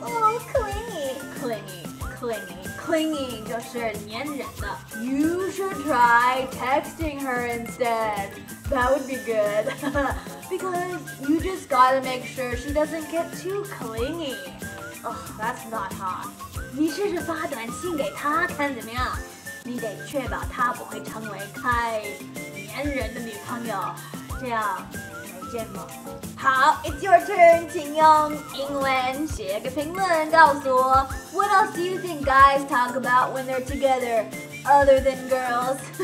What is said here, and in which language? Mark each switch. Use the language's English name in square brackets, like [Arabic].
[English] Oh, clingy. Clingy, clingy, clingy [Chinese] 就是黏人的。 [English] You should try texting her instead. That would be good. Because you just gotta make sure she doesn't get too clingy. Oh, that's not hot. [Chinese] 你试试发短信给她看怎么样？你得确保她不会成为太黏人的女朋友，这样没见吗？ [English] 好 ，It's your turn. [Chinese] 请用英文写个评论，告诉我 [English] What else do you think guys talk about when they're together, other than girls?